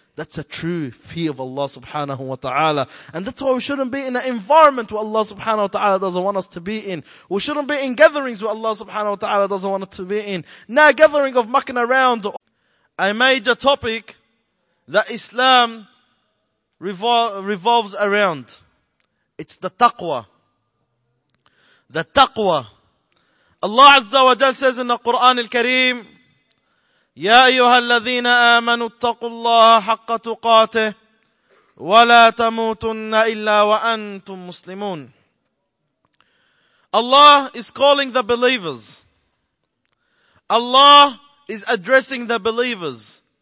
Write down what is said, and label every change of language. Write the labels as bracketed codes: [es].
[en] That's a true fear of Allah subhanahu wa ta'ala. And that's why we shouldn't be in an environment where Allah subhanahu wa ta'ala doesn't want us to be in. We shouldn't be in gatherings where Allah subhanahu wa ta'ala doesn't want us to be in. No gathering of mucking around I made the topic that Islam revolves around. It's the taqwa. The taqwa. Allah Azza wa Jal says in the Quran al-Kareem, [ar] يَا أَيُّهَا الَّذِينَ آمَنُوا اتَّقُوا اللَّهَ حَقَّ تُقَاتِهِ وَلَا تَمُوتُنَّ إِلَّا وَأَنْتُمْ مُسْلِمُونَ. [en] Allah is calling the believers. Allah is addressing the believers.